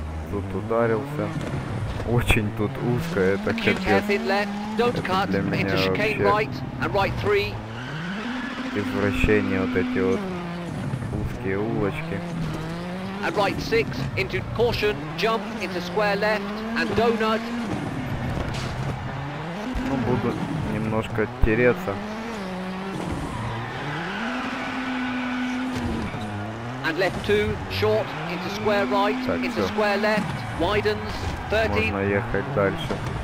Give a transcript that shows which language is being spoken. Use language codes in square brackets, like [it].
[ru] Тут ударился. Очень тут узко, это капец. Это для меня вообще извращение, вот эти вот узкие улочки. [en] And right 6, into caution, jump into square left, and donut. [ru] Ну, буду немножко тереться. [en] And left 2, short, into square right, так, into всё. Square left, widens, 13. [ru] Можно ехать дальше.